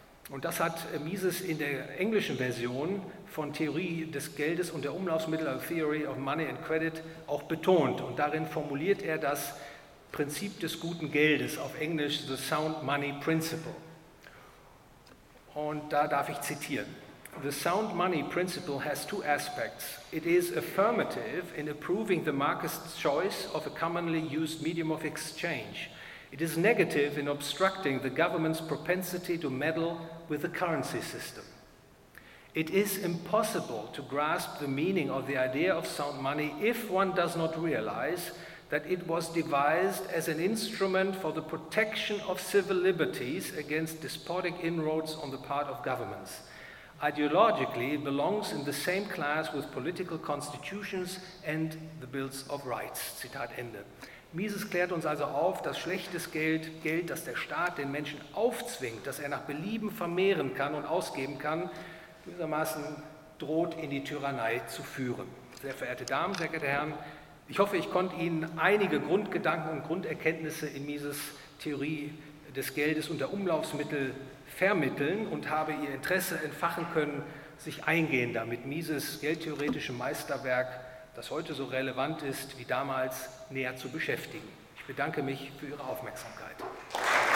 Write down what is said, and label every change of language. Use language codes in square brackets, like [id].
[de] Und das hat Mises in der englischen Version von Theorie des Geldes und der Umlaufsmittel, also Theory of Money and Credit, auch betont. Und darin formuliert er das Prinzip des guten Geldes, auf Englisch The Sound Money Principle. Und da darf ich zitieren. [en] The sound money principle has two aspects. It is affirmative in approving the market's choice of a commonly used medium of exchange. It is negative in obstructing the government's propensity to meddle with the currency system. It is impossible to grasp the meaning of the idea of sound money if one does not realize that it was devised as an instrument for the protection of civil liberties against despotic inroads on the part of governments. Ideologically, it belongs in the same class with political constitutions and the bills of rights. [de] Zitat Ende. Mises klärt uns also auf, dass schlechtes Geld, Geld, das der Staat den Menschen aufzwingt, das er nach Belieben vermehren kann und ausgeben kann, gewissermaßen droht in die Tyrannei zu führen. Sehr verehrte Damen, sehr geehrte Herren, ich hoffe, ich konnte Ihnen einige Grundgedanken und Grunderkenntnisse in Mises Theorie des Geldes und der Umlaufsmittel vermitteln und habe Ihr Interesse entfachen können, sich eingehender mit Mises geldtheoretischem Meisterwerk, das heute so relevant ist wie damals, näher zu beschäftigen. Ich bedanke mich für Ihre Aufmerksamkeit.